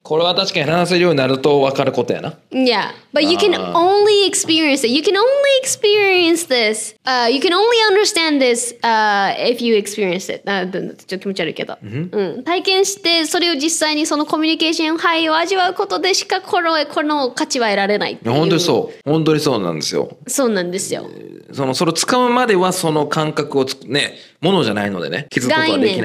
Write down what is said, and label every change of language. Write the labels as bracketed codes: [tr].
[ja] これは確かに話せるようになるとわかることやな。 [en] Yeah. But you can only experience it. You can only experience this. You can only understand this if you experience it. [ja] ちょっと気持ち悪いけど。体験して、それを実際にそのコミュニケーションハイを味わうことでしかこの価値は得られない。本当にそう。本当にそうなんですよ。そうなんですよ。それを掴むまではその感覚をね、ものじゃないのでね、気づくことはできないですけど。